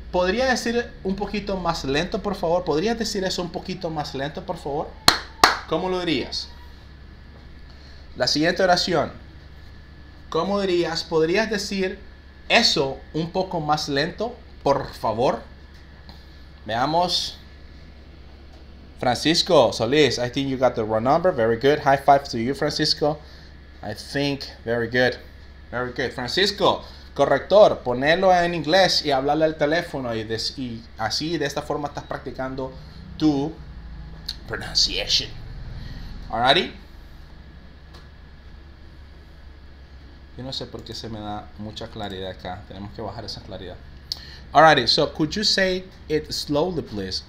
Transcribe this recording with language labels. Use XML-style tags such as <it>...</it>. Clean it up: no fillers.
<es>¿Podría decir un poquito más lento, por favor? ¿Podrías decir eso un poquito más lento, por favor? ¿Cómo lo dirías? La siguiente oración. ¿Cómo dirías? ¿Podrías decir eso un poco más lento, por favor? Veamos.</es> <en>Francisco Solís, I think you got the wrong number. Very good. High five to you, Francisco. I think. Very good. Very good.</en> <es>Francisco, corrector, ponelo en inglés y hablarle al teléfono y así, de esta forma, estás practicando tu pronunciation. Alrighty. Yo no sé por qué se me da mucha claridad acá. Tenemos que bajar esa claridad.</es> <en>Alrighty, so could you say it slowly, please?</en>